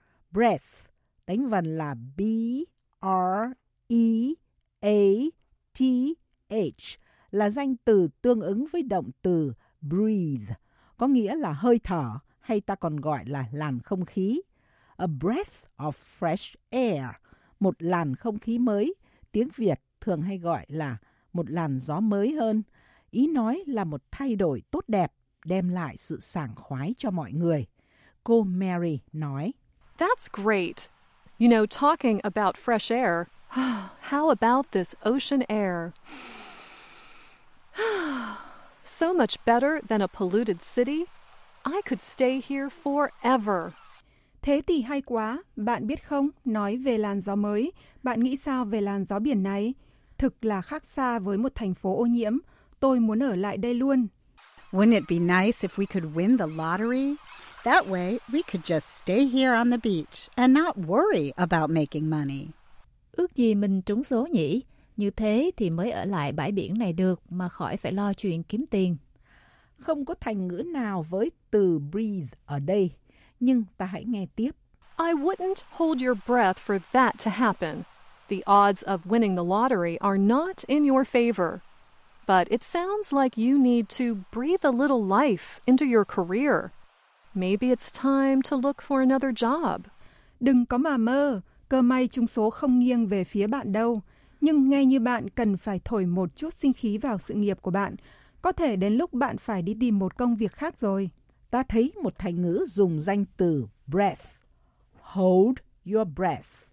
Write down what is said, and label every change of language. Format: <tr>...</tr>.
<vi>Breath, đánh vần là B-R-E-A-T-H, là danh từ tương ứng với động từ breathe, có nghĩa là hơi thở, hay ta còn gọi là làn không khí.</vi> <en>A breath of fresh air,</en> <vi>một làn không khí mới, tiếng Việt thường hay gọi là một làn gió mới hơn, ý nói là một thay đổi tốt đẹp, đem lại sự sảng khoái cho mọi người. Cô Mary nói,</vi> <en>That's great. You know, talking about fresh air, how about this ocean air? So much better than a polluted city. I could stay here forever.</en> <vi>Thế thì hay quá. Bạn biết không, nói về làn gió mới, bạn nghĩ sao về làn gió biển này? Thực là khác xa với một thành phố ô nhiễm. Tôi muốn ở lại đây luôn.</vi> <en>Wouldn't it be nice if we could win the lottery? That way, we could just stay here on the beach and not worry about making money.</en> <vi>Ước gì mình trúng số nhỉ? Như thế thì mới ở lại bãi biển này được mà khỏi phải lo chuyện kiếm tiền. Không có thành ngữ nào với từ breathe ở đây, nhưng ta hãy nghe tiếp.</vi> <en>I wouldn't hold your breath for that to happen. The odds of winning the lottery are not in your favor. But it sounds like you need to breathe a little life into your career. Maybe it's time to look for another job.</en> <vi>Đừng có mà mơ, cơ may trúng số không nghiêng về phía bạn đâu. Nhưng nghe như bạn cần phải thổi một chút sinh khí vào sự nghiệp của bạn. Có thể đến lúc bạn phải đi tìm một công việc khác rồi. Ta thấy một thành ngữ dùng danh từ breath.</vi> <en>Hold your breath.</en>